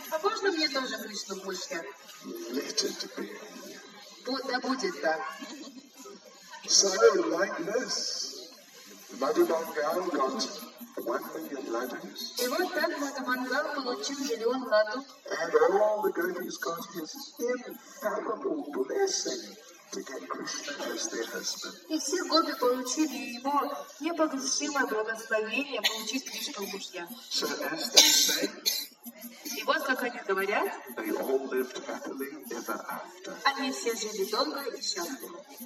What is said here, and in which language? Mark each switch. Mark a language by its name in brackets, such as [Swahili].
[Russian] А можно мне тоже Кришну больше? [English] Let it be. [Russian] Да будет так. [English] So, like this, Madhubangal got 1 million ladus. [Russian] И вот так Мадхубангал получил 1 миллион ладу. [English] And all the gopis got his infallible blessing to get Krishna as their husband. [Russian] И все гопи получили его непогрешимое благословение получить Кришну в мужья. [English] So as they say, [Russian] и вот как они говорят, [English] they all lived happily ever after. [Russian] Они все жили долго и счастливо.